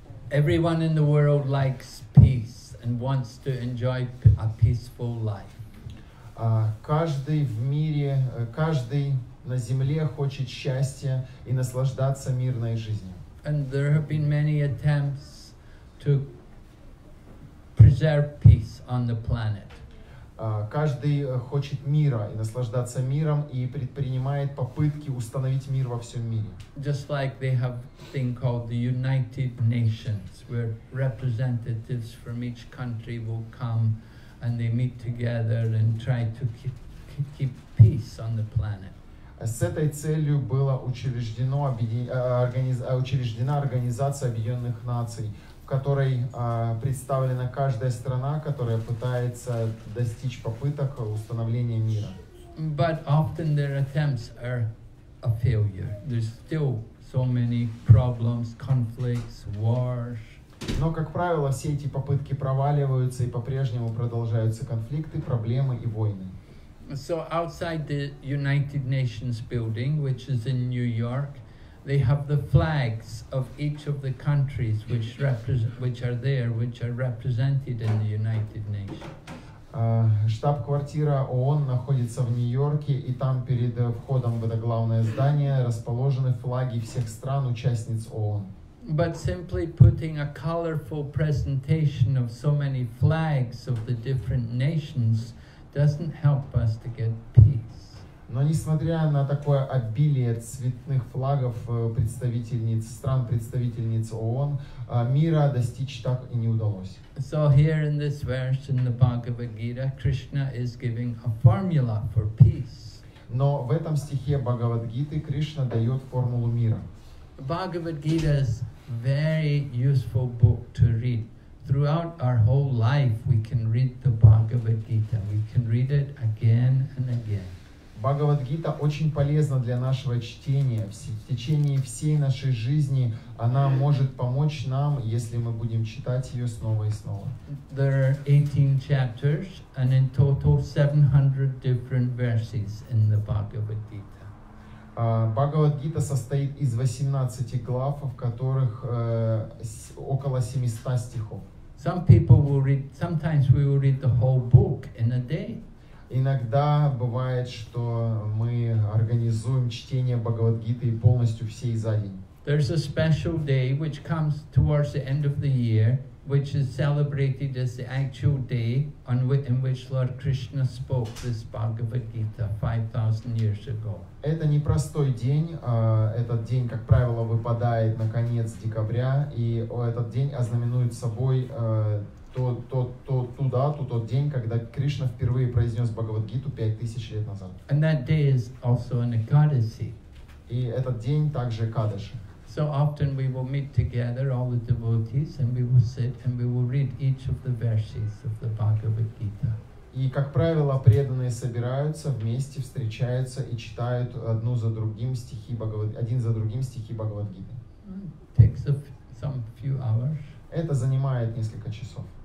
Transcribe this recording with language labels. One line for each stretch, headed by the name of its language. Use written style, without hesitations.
English: Everyone in the world likes peace and wants to enjoy a peaceful life.
Russian: Каждый в мире, каждый на земле хочет счастья и наслаждаться мирной жизнью.
English: And there have been many attempts to preserve peace on the planet.
Russian: Каждый хочет мира и наслаждаться миром и предпринимает попытки установить мир во всем мире.
English: Just like they have thing called the United Nations, where representatives from each country will come and they meet together and try to keep peace on the planet.
Russian: С этой целью была учреждена организация Объединенных Наций, в которой представлена каждая страна, которая пытается достичь попыток установления мира.
English: But often their attempts are a failure. There's still so many problems, conflicts, wars.
Russian: Но, как правило, все эти попытки проваливаются и по-прежнему продолжаются конфликты, проблемы и войны.
English: So outside the United Nations building, which is in New York, they have the flags of each of the countries which are represented in the United Nations.
Russian: Штаб-квартира ООН находится в Нью-Йорке, и там перед входом в это главное здание расположены флаги всех стран-участниц ООН.
English: But simply putting a colorful presentation of so many flags of the different nations doesn't help us to get peace.
Russian: Но несмотря на такое обилие цветных флагов представительниц стран представительниц ООН, мира достичь так и не удалось.
English: So here in this verse in the Bhagavad Gita, Krishna is giving a formula for peace.
Russian: Но в этом стихе Бхагавад-гиты Кришна дает формулу мира.
English: Bhagavad Gita is very useful book to read. Throughout our whole life, we can read the Bhagavad Gita. We can read it again and again.
Russian: Бхагавад-гита очень полезна для нашего чтения. В течение всей нашей жизни она может помочь нам, если мы будем читать ее снова и снова.
English: There are 18 chapters and in total 700 different verses in the Bhagavad-gita.
Russian: Бхагавад-гита состоит из 18 глав, в которых около 700 стихов.
English: Some people will read, sometimes we will read the whole book in a day.
Russian: Иногда бывает, что мы организуем чтение Бхагавад-гиты полностью всей за день.
English: There's a special day which comes towards the end of the year, which is celebrated as the actual day on which Lord Krishna spoke this Bhagavad-gita 5,000 years ago.
Russian: Это непростой день. Этот день, как правило, выпадает на конец декабря, и этот день ознаменует собой тот день, когда Кришна впервые произнес Бхагавад-гиту 5000 лет назад.
English: And that day is also an Экадаси.
Russian: И этот день также Экадаши.
English: So often we will meet together, all the devotees, and we will sit and we will read each of the verses of the Bhagavad-gita.
Russian: И, как правило, преданные собираются вместе, встречаются и читают одну за другим стихи Бхагавад-гиты.
English: Takes some few hours.
Russian: Это занимает несколько часов.